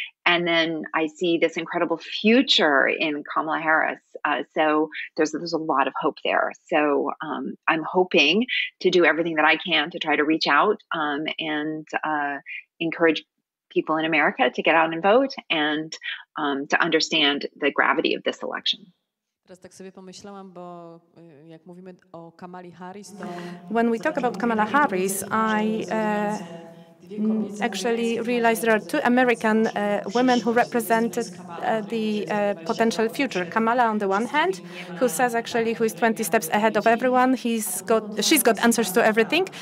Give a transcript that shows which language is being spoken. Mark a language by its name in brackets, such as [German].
[English] And then I see this incredible future in Kamala Harris. So there's a lot of hope there. So I'm hoping to do everything that I can to try to reach out and encourage people in America to get out and vote and to understand the gravity of this election. [Polish] Teraz tak sobie pomyślałam, bo jak mówimy o Kamali Harris, to... [English] When we talk about Kamala Harris, I actually realized there are two American women who represented the potential future. Kamala on the one hand, who says actually who is 20 steps ahead of everyone, she's got answers to everything.